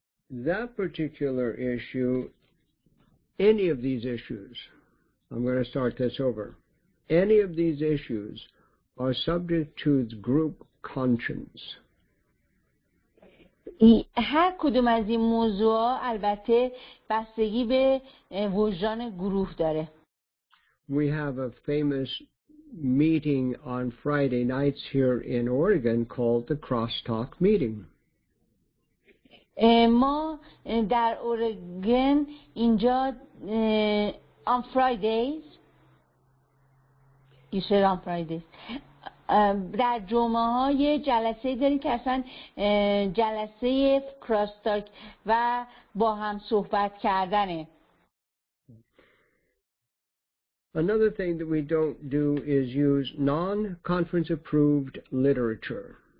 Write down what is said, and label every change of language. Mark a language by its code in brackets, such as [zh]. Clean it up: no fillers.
[en] That particular issue, any of these issues, I'm going to start this over. Any of these issues are subject to the group conscience. [fa] هر کدوم از این موضوعا البته بستگی به وجدان گروه داره. [en] We have a famous meeting on Friday nights here in Oregon called the Crosstalk Meeting. [fa] ما در اورگن اینجا [en] on Fridays. You said on Fridays. [fa] در جمعه ها یه جلسه داریم که اصلا جلسه کراستاک و با هم صحبت کردنه. [en] Another thing that we don't do is use non-conference approved literature.